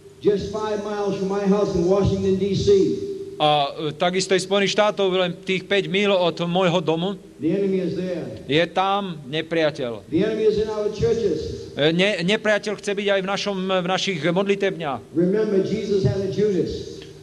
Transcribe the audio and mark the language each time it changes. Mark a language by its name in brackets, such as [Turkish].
[English] Just 5 miles from my house in Washington DC. [Slovak] A takisto aj Spojených štátov, len tých 5 míľ od môjho domu. [English] The enemy is there. [Slovak] Je tam nepriateľ. [English] The enemy is in our churches. [Slovak] Nepriateľ chce byť aj v našich modlitebniach. [English] Remember, Jesus had a Judas.